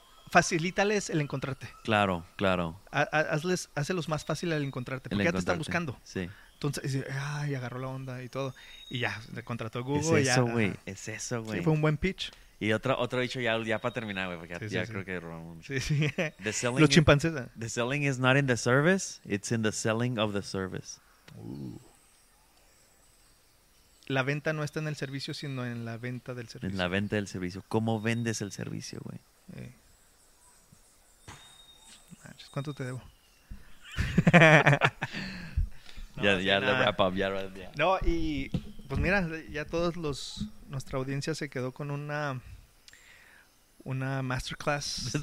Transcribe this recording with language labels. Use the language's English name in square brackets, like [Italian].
[Spanish] Facilítales el encontrarte. Claro, claro. Hazlos más fácil el encontrarte. Porque ya te están buscando. Sí. Entonces, y agarró la onda y todo. Y ya, le contrató Google. Es eso, güey. Es eso, güey. Sí, fue un buen pitch. Y otro dicho ya para terminar, güey. Porque sí, ya sí. Creo que robamos mucho. Sí, sí. [English] The selling [Spanish] los chimpancés. [English] The selling is not in the service. It's in the selling of the service. [Spanish] La venta no está en el servicio, sino en la venta del servicio. En la venta del servicio. ¿Cómo vendes el servicio, güey? Sí. ¿Cuánto te debo? Ya, no, y pues mira, ya todos los nuestra audiencia se quedó con una masterclass